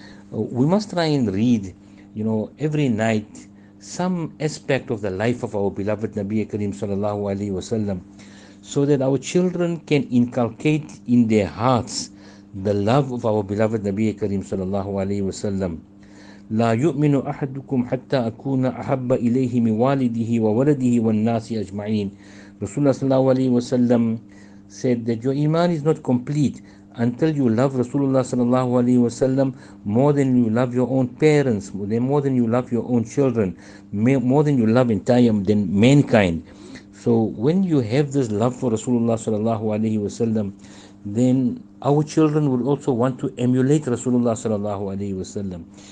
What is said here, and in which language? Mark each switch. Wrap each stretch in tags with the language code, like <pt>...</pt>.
<en>We must try and read, you know, every night, some aspect of the life of our beloved Nabi Kareem sallallahu alayhi wa sallam, so that our children can inculcate in their hearts the love of our beloved Nabi Kareem sallallahu alayhi wa sallam.</en> <ar>لا يؤمن أحدكم حتى أكون أحب إليه من والده وولده والناس أجمعين.</ar> <en>Rasulullah sallallahu alayhi wa sallam said that your iman is not complete until you love Rasulullah sallallahu alayhi wa sallam more than you love your own parents, more than you love your own children, more than you love entire than mankind. So when you have this love for Rasulullah sallallahu alayhi wa sallam, then our children would also want to emulate Rasulullah sallallahu alayhi wa sallam.</en>